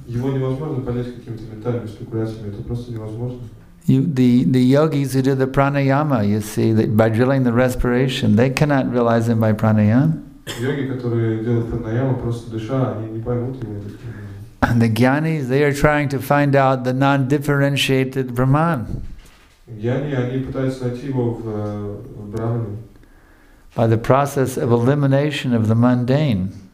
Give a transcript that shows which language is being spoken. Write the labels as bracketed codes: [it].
[ru] Его невозможно понять какими-то ментальными спекуляциями. Это просто невозможно. [en] The yogis who do the pranayama, you see, by drilling the respiration, they cannot realize him by pranayama. [ru] Йоги, которые делают пранаяму, просто дыша, они не поймут его. [en] And the gyanis, they are trying to find out the non-differentiated Brahman. [ru] Гьяни, они пытаются найти его в Брахмане. [en] By the process of elimination of the mundane.